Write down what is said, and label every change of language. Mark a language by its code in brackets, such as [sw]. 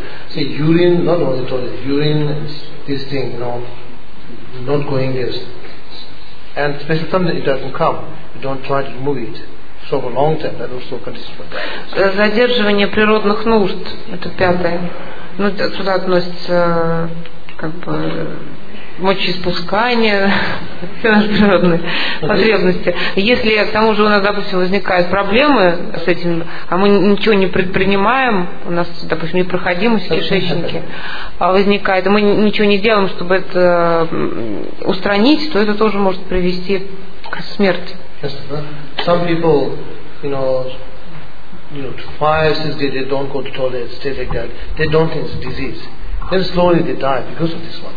[en] See, urine, not only toilet, urine is this thing, you know, not going there. And especially something it doesn't come, you don't try to remove it. So for long term, that also [ru] задерживание природных нужд, это пятое. Ну, сюда относится как бы мочеиспускание, все наши природные потребности. Если к тому же у нас, допустим, возникают проблемы с этим, а мы ничего не предпринимаем, у нас, допустим, непроходимость кишечники возникает, а мы ничего не делаем, чтобы это устранить, то это тоже может привести к смерти. [en] Some people, to 5-6 days they don't go to toilet, stay like that. They don't think it's a disease. Then slowly they die because of this one.